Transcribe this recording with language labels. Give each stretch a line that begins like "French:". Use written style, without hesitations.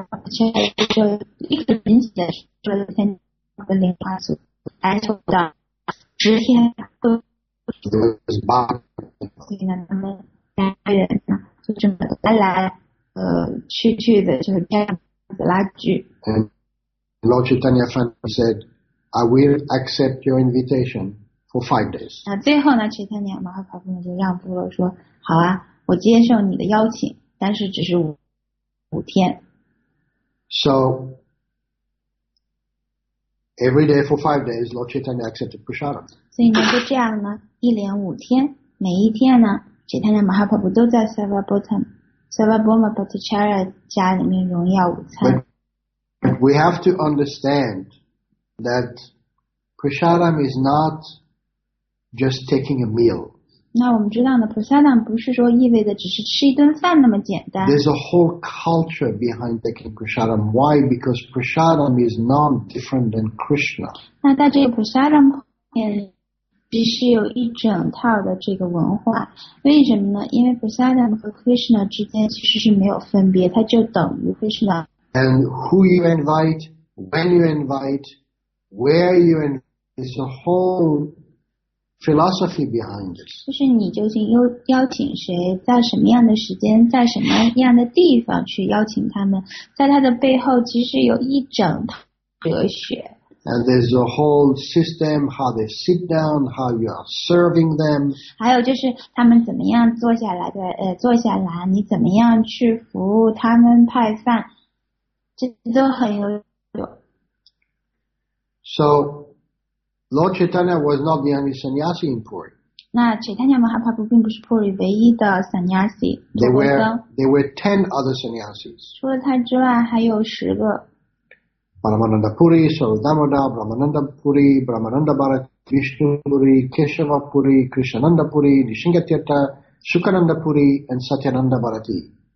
Chinese: 这就立刻引起了这天的莲花组，来求到十天都。
English: There was bad.
Chinese: 所以呢，他们三个人呢。就这么来来去去的就是这样子拉锯
English: And Lord Chaitanya said I will accept your invitation for 5 days
Chinese: 最后呢 Chaitanya Mahaprabhu 就让步了说好啊我接受你的邀请但是只是五天
English: So Every day for 5 days, Lord Chaitanya accepted prasadam.
Chinese: 所以呢，就这样呢，一连五天，每一天呢，其他的 Mahaprabhu 都在 Sarvabhauma Bhattacharya 家里面荣耀午餐。
English: But we have to understand that prasadam is not just taking a meal.
Chinese: 那我们知道呢 ，prasadam 不是说意味着只是吃一顿饭那么简单。
English: There's a whole culture behind taking prasadam. Why? Because prasadam is not different than Krishna.
Chinese: 那在这个 prasadam 面。其实有一整套的这个文化，为什么呢？因为 prasadam 和 Krishna 之间其实是没有分别，它就等于 Krishna。
English: And who you invite, when you invite, where you invite, is a whole philosophy behind this.
Chinese: 就是你究竟邀请谁，在什么样的时间，在什么样的地方去邀请他们，在它的背后其实有一整套哲学。
English: And there's a whole system how they sit down, how you are serving them.
Chinese: 还有就是他们怎么样坐下来的，坐下来，你怎么样去服务他们派饭，这都很有。
English: So, Lord Chaitanya was not the only sannyasi in Puri.
Chinese: 那 Chaitanya Mahaprabhu 并不是 Puri 唯一的 sannyasi.
English: There were 10 other sannyasis.
Chinese: 除了他之外，还有十个。
English: Paramananda Puri, Sarvadamoda, Brahmananda Puri, Brahmananda Bharat, Vishnu Puri, Keshava Puri, Krishnananda Puri, Nishingatirtha, Sukhananda Puri, and Satyananda Bharati.